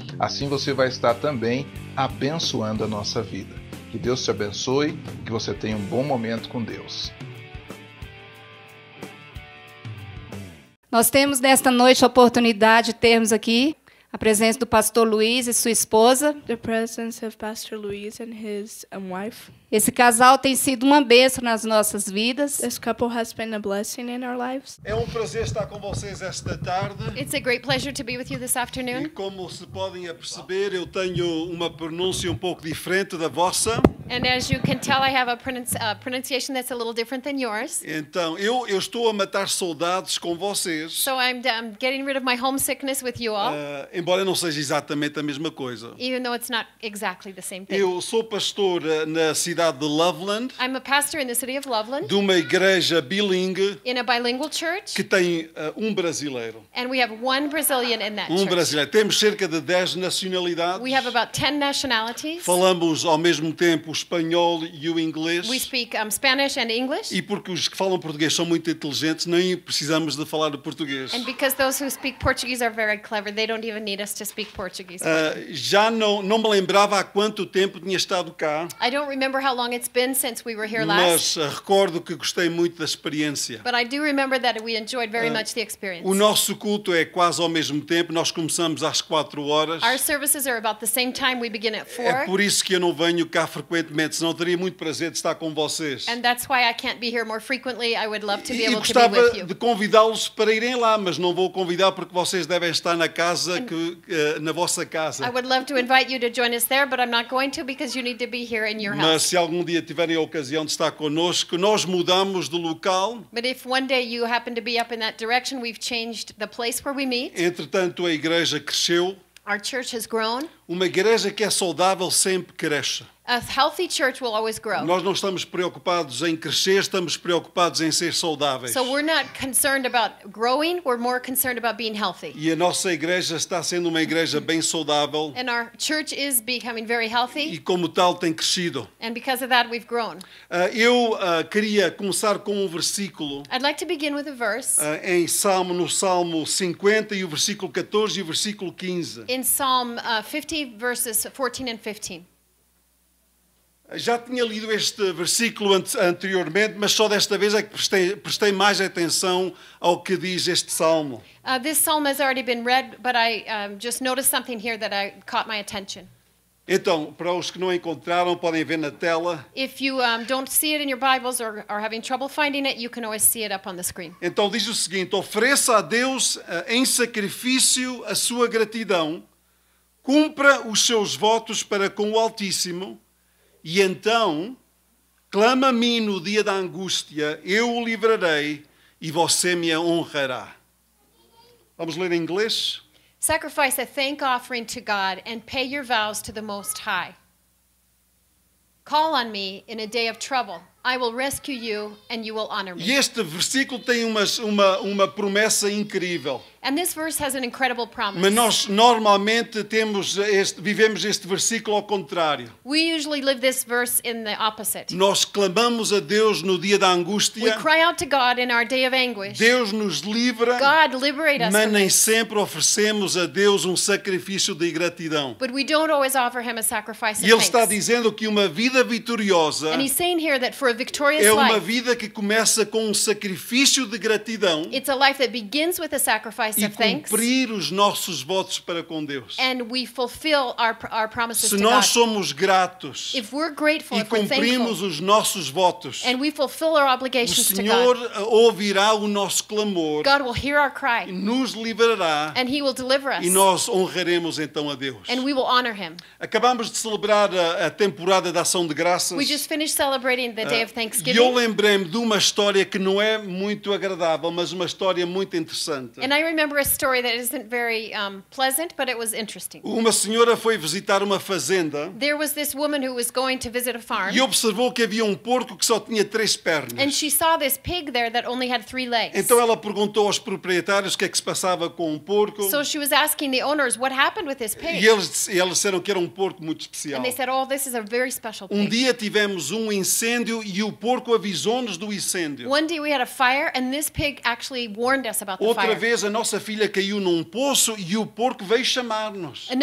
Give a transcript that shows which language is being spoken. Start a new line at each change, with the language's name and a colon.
Portuguese: Assim você vai estar também abençoando a nossa vida. Que Deus te abençoe, que você tenha um bom momento com Deus. Nós temos nesta noite a oportunidade de termos aqui a presença do pastor Luis e sua esposa.
English: The presence of Pastor Luis and his wife.
Portuguese: Esse casal tem sido uma bênção nas nossas vidas.
English: This couple has been a blessing in our lives.
Portuguese: É um prazer estar com vocês esta tarde.
English: It's a great pleasure to be with you this afternoon.
Portuguese: E como se podem aperceber, eu tenho uma pronúncia um pouco diferente da vossa.
English: And as you can tell, I have a pronunciation that's a little different than yours.
Portuguese: Então, eu estou a matar saudades com vocês.
English: So I'm getting rid of my homesickness with you all.
Portuguese: Embora não seja exatamente a mesma coisa.
English: Even though it's not exactly the same thing.
Portuguese: Eu sou pastor na cidade de Loveland.
English: I'm a pastor in the city of Loveland.
Portuguese: De uma igreja bilingue.
English: In a bilingual church.
Portuguese: Que tem um brasileiro.
English: And we have one Brazilian in that church.
Portuguese: Um brasileiro. Temos cerca de 10 nacionalidades.
English: We have about 10 nationalities.
Portuguese: Falamos ao mesmo tempo o espanhol e o inglês.
English: We speak Spanish and English.
Portuguese: E porque os que falam português são muito inteligentes, nem precisamos de falar o português.
English: And because those who speak Portuguese are very clever, they don't even need us to speak Portuguese.
Portuguese: Já não me lembrava há quanto tempo tinha estado cá.
English: I don't remember how long it's been since we were here last.
Portuguese: Mas recordo que gostei muito da experiência.
English: But I do remember that we enjoyed very much the experience.
Portuguese: O nosso culto é quase ao mesmo tempo. Nós começamos às 4 horas.
English: Our services are about the same time. We begin at 4.
Portuguese: É por isso que eu não venho cá frequentemente. Senão teria muito prazer de estar com vocês.
English: And that's why I can't be here more frequently. I would love to be able to be with you.
Portuguese: E gostava de convidá-los para irem lá, mas não vou convidar porque vocês devem estar na casa. Na vossa casa.
English: I would love to invite you to join us there, but I'm not going to because you need to be here in your house.
Portuguese: Mas se algum dia tiverem a ocasião de estar connosco, nós mudamos de local.
English: But if one day you happen to be up in that direction, we've changed the place where we meet.
Portuguese: Entretanto, a igreja cresceu.
English: Our church has grown.
Portuguese: Uma igreja que é saudável sempre cresce.
English: A healthy church will always grow.
Portuguese: Nós não estamos preocupados em crescer, estamos preocupados em ser saudáveis.
English: So we're not concerned about growing, we're more concerned about being healthy.
Portuguese: E a nossa igreja está sendo uma igreja bem saudável.
English: And our church is becoming very healthy.
Portuguese: E como tal tem crescido.
English: And because of that we've grown.
Portuguese: Eu queria começar com um versículo.
English: I'd like to begin with a verse.
Portuguese: No Salmo 50 e o versículo 14 e o versículo 15.
English: In Psalm 50 verses 14 and 15.
Portuguese: Já tinha lido este versículo anteriormente, mas só desta vez é que prestei mais atenção ao que diz este salmo.
English: This psalm has already been read, but I just noticed something here that I caught my attention.
Portuguese: Então, para os que não encontraram, podem ver na tela.
English: If you don't see it in your Bibles or are having trouble finding it, you can always see it up on the screen.
Portuguese: Então diz o seguinte: ofereça a Deus em sacrifício a sua gratidão, cumpra os seus votos para com o Altíssimo. E então, clama a mim no dia da angústia, eu o livrarei e você me honrará. Vamos ler em inglês?
English: Sacrifice a thank offering to God and pay your vows to the Most High. Call on me in a day of trouble. I will rescue you and you will honor me.
Portuguese: E este versículo tem uma promessa incrível.
English: And this verse has an incredible promise.
Portuguese: Mas nós normalmente vivemos este versículo ao contrário.
English: We usually live this verse in the opposite.
Portuguese: Nós clamamos a Deus no dia da angústia.
English: We cry out to God in our day of anguish.
Portuguese: Deus nos livra.
English: God liberate us.
Portuguese: Mas nem sempre oferecemos a Deus um sacrifício de gratidão.
English: But we don't always offer him a sacrifice of thanks.
Portuguese: Ele está dizendo que uma vida vitoriosa.
English: And he's saying here that for a victorious life.
Portuguese: É uma vida que começa com um sacrifício de gratidão.
English: It's a life that begins with a sacrifice. sacrifice of thanks.
Portuguese: E cumprir os nossos votos para com Deus.
English: And we fulfill our promises to God.
Portuguese: Se nós somos gratos.
English: If we're grateful,
Portuguese: e cumprimos
English: thankful,
Portuguese: os nossos votos.
English: And we fulfill our obligations to God.
Portuguese: O Senhor ouvirá o nosso clamor.
English: God will hear our cry.
Portuguese: E nos livrará.
English: And he will deliver us.
Portuguese: E nós honraremos então a Deus.
English: And we will honor him.
Portuguese: Acabamos de celebrar a temporada da ação de graças.
English: We just finished celebrating the day of thanksgiving.
Portuguese: E eu lembrei-me de uma história que não é muito agradável, mas uma história muito interessante.
English: And I remember a story that isn't very pleasant, but it was interesting.
Portuguese: Uma senhora foi visitar uma fazenda.
English: There was this woman who was going to visit a farm.
Portuguese: E observou que havia um porco que só tinha três pernas.
English: And she saw this pig there that only had three legs.
Portuguese: Então ela perguntou aos proprietários o que é que se passava com o porco.
English: So she was asking the owners what happened with this pig.
Portuguese: E eles disseram que era um porco muito especial.
English: And they said, oh, this is a very special pig.
Portuguese: Um dia tivemos um incêndio e o porco avisou-nos do incêndio.
English: One day we had a fire and this pig actually warned us about the
Portuguese: Outra
English: fire.
Portuguese: Outra vez a nossa filha caiu num poço e o porco veio chamar-nos.